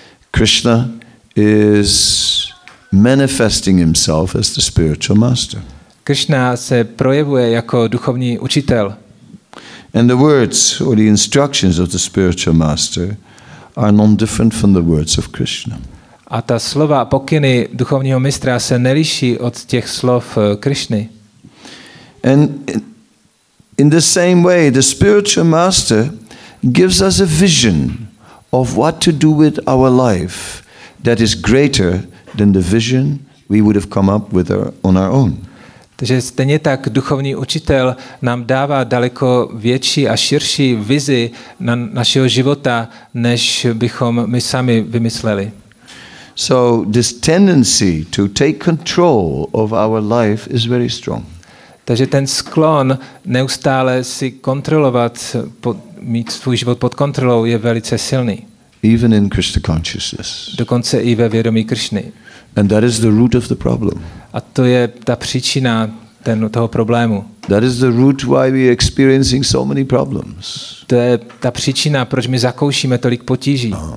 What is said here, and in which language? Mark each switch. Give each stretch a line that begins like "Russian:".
English: Krishna is manifesting himself as the spiritual master.
Czech: Krishna se projevuje jako duchovní učitel.
English: And the words or the instructions of the spiritual master are non different from the words of Krishna.
Czech: A ta slova a pokyny duchovního mistra se neliší od těch slov Krišny.
English: And in the same way the spiritual master gives us a vision of what to do with our life that is greater than the vision we would have come up with on our own.
Czech: Takže stejně tak duchovní učitel nám dává daleko větší a širší vizi na našeho života, než bychom my sami vymysleli.
English: So this tendency to take control of our life is very strong.
Czech: Takže ten sklon neustále si kontrolovat, mít svůj život pod kontrolou je velice silný.
English: Even in Krishna consciousness.
Czech: Dokonce i ve vědomí Krišny.
English: And that is the root of the problem.
Czech: A to je ta příčina toho problému.
English: That is the root why we are experiencing so many problems.
Czech: To je ta příčina, proč my zakoušíme tolik potíží.